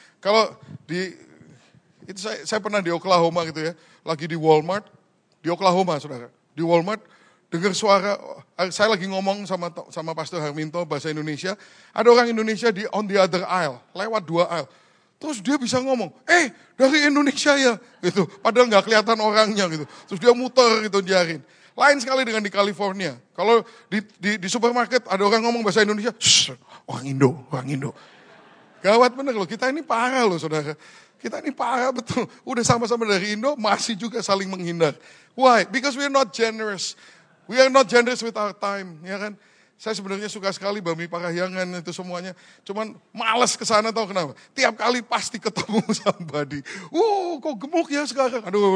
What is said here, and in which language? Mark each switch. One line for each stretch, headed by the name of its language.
Indonesian: Kalau di, itu saya pernah di Oklahoma gitu ya, lagi di Walmart, di Oklahoma saudara, di Walmart, dengar suara, saya lagi ngomong sama Pastor Harminto bahasa Indonesia, ada orang Indonesia di on the other aisle, lewat 2 aisle, terus dia bisa ngomong, dari Indonesia ya, gitu, padahal gak kelihatan orangnya gitu, terus dia muter gitu diarin. Lain sekali dengan di California, kalau di supermarket ada orang ngomong bahasa Indonesia, orang Indo, gawat bener loh, kita ini parah loh saudara. Kita ini parah betul. Udah sama-sama dari Indo, masih juga saling menghindar.
English: Why? Because we are not generous. We are not generous with our time.
Indonesian: Ya kan? Saya sebenarnya suka sekali Bami Parahyangan itu semuanya. Cuman malas kesana, tau kenapa? Tiap kali pasti ketemu somebody. Kok gemuk ya sekarang?